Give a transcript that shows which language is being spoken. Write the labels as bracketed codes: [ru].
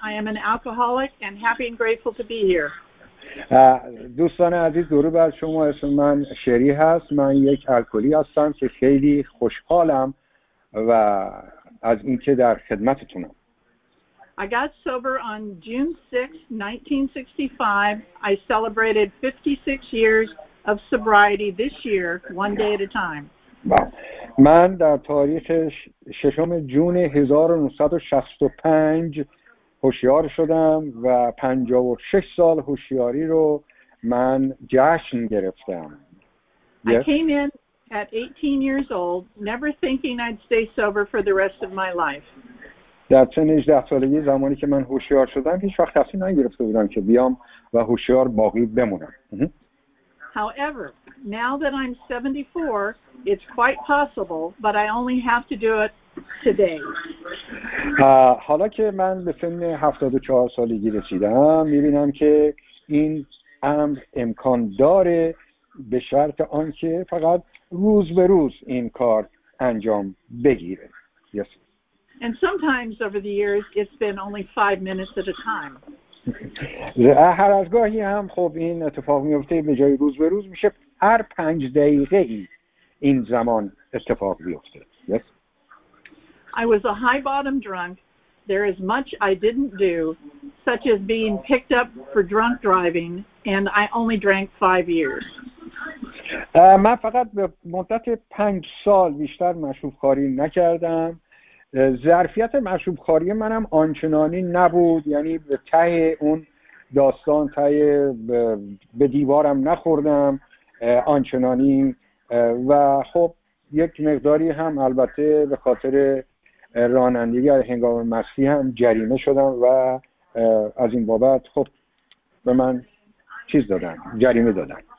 [en] I am an alcoholic and happy and grateful to be here. [fa] دوستان عزیز، درود بر شما. اسم من شری هست. من یک الکلی هستم که خیلی خوشحالم و از اینکه در خدمتتونم. [en] I got sober on June 6, 1965. I celebrated 56 years of sobriety this year, one day at a time. [fa] من در تاریخ ششم جون 1965 هوشیار شدم و 56 سال هوشیاری رو من جشن گرفتم. [en] Yes. I came in at 18 years old, never thinking I'd stay sober for the rest of my life. [fa] در سن 18 سالگی زمانی که من هوشیار شدم، هیچ وقت تصمیم نگرفته بودم که بیام و هوشیار باقی بمونم. [en] However, now that I'm 74, it's quite possible, but I only have to do it today. [fa] حالا که من به سن 74 سالگی رسیدم، می‌بینم که این امر امکان داره، به شرط آنکه فقط روز به روز این کار انجام بگیره. [en] Yes. And sometimes over the years, it's been only 5 minutes at a time. [fa] هر از گاهی هم خب این اتفاق میفته، به جای روز به روز میشه هر 5 دقیقه ای این زمان اتفاق میفته. [en] Yes. I was a high bottom drunk. There is much I didn't do, such as being picked up for drunk driving, and I only drank 5 years. [fa] من فقط به مدت 5 سال بیشتر مشروب خواری نکردم. ظرفیت مشروب خواری منم آنچنانی نبود، یعنی به ته اون داستان، ته به دیوارم نخوردم آنچنانی، و خب یک مقداری هم البته به خاطر رانندگی از هنگام مستی هم جریمه شدم و از این بابت خب به من چیز دادن، جریمه دادن.